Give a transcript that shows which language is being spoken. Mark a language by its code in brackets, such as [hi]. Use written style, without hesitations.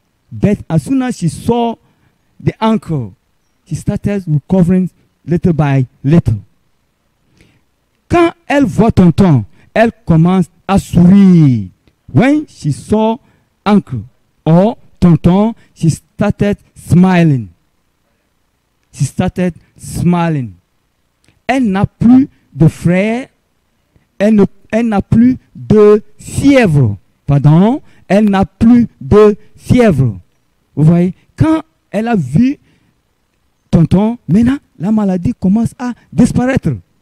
[en] But as soon as she saw the uncle, she started recovering little by little. [fr] Quand elle voit tonton, elle commence à sourire. [en] When she saw uncle or tonton, she started smiling. She started smiling. [fr] Elle n'a plus de frère, elle n'a plus de fièvre. Pardon, elle n'a plus de fièvre. Vous voyez, quand elle a vu tonton, maintenant la maladie commence à disparaître.